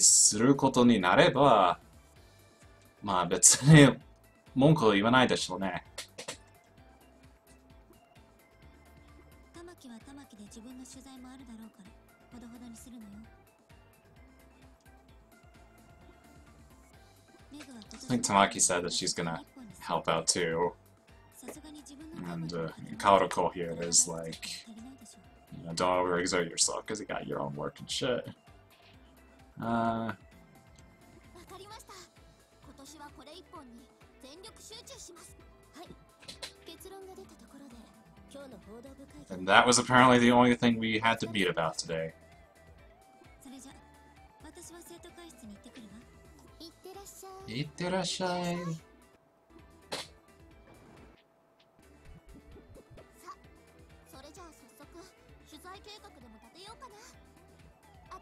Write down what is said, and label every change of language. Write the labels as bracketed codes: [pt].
[ja] することになれば、まあ別に文句を言わないでしょうね。玉木は玉木で自分の取材もあるだろうから、ほどほどにするのよ。 [en] I think Tamaki said that she's gonna help out too. And Kaoruko here is like, you know, don't overexert yourself because you got your own work and shit. [ja] わかりました。今年はこれ一本に全力集中します。はい。結論が出たところで、今日の報道部会 [en] 議。And that was apparently the only thing we had to meet about today. [ja] それじゃ、私は生徒会室に行ってくるわ。行ってらっしゃい。行ってらっしゃい。さ、それじゃあ早速取材計画でも立てようかな。